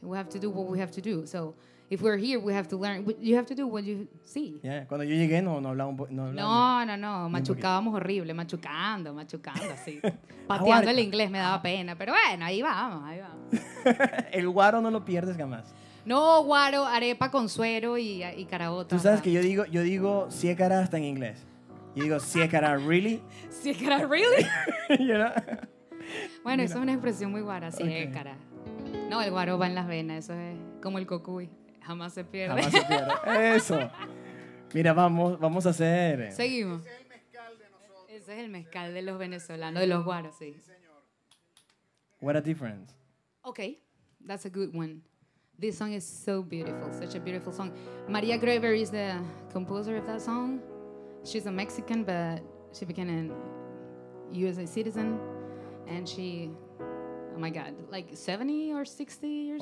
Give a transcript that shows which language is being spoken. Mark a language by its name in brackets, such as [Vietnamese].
[English] We have to do what we have to do. So if we're here, we have to learn. You have to do what you see. [Spanish] Yeah, cuando yo llegué no hablaba un poco. No. Machucábamos horrible. Machucando así. Pateando el inglés me daba pena. Pero bueno, ahí vamos. El guaro no lo pierdes jamás. No, guaro, arepa con suero y caraota. Tú sabes que yo digo siécara hasta en inglés. Yo digo siécara, [English] ¿really? ¿Siécara, really? You know? [Spanish] Bueno, eso es una expresión muy guara, siécara. Okay. No, el guaro va en las venas, eso es como el cocuy. Jamás se pierde. Eso. Mira, vamos a hacer. Seguimos. Ese es el mezcal de nosotros. Ese es el mezcal de los venezolanos, de los guaros, sí. Sí, señor. [English] What a difference. Okay, that's a good one. This song is so beautiful, such a beautiful song. Maria Graver is the composer of that song. She's a Mexican, but she became a USA citizen. And she, oh my God, like 70 or 60 years?